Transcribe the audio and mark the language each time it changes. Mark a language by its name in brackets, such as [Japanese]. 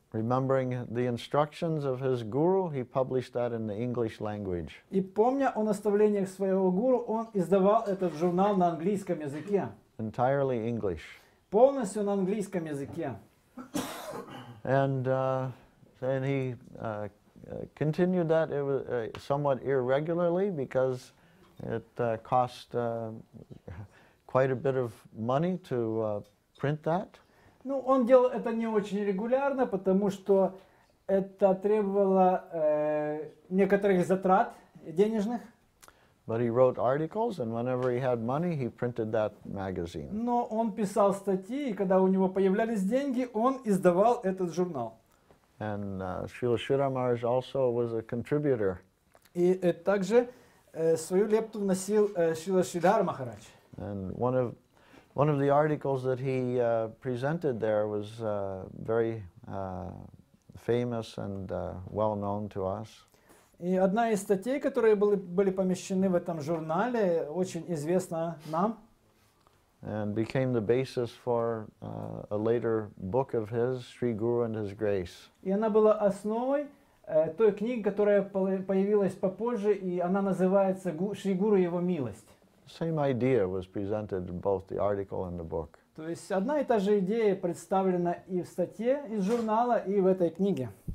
[English] Remembering the instructions of his guru, he published that in the English language. [Russian] И помня о наставлениях своего гуру, он издавал этот журнал на английском языке. [English] Entirely English. [Russian] Полностью на английском языке. [English] And then he continued that it was somewhat irregularly because it cost quite a bit of money to print that. [Russian] Ну, он делал это не очень регулярно, потому что это требовало некоторых затрат денежных. [English] But he wrote articles, and whenever he had money, he printed that magazine. [Russian] Но он писал статьи, и когда у него появлялись деньги, он издавал этот журнал. [English] And Srila Sridhara Maharaj also was a contributor. [Russian] И также свою лепту вносил Srila Sridhara Maharaj. [English] And one of the articles that he presented there was very famous and well known to us. [Russian] И одна из статей, которые были помещены в этом журнале, очень известна нам. [English] And became the basis for a later book of his, Sri Guru and His Grace. [Russian] И она была основой той книги, которая появилась попозже, и она называется «Шри Гуру и Его Милость». [English] Same idea was presented in both the article and the book. [Russian] То есть одна и та же идея представлена и в статье из журнала, и в этой книге.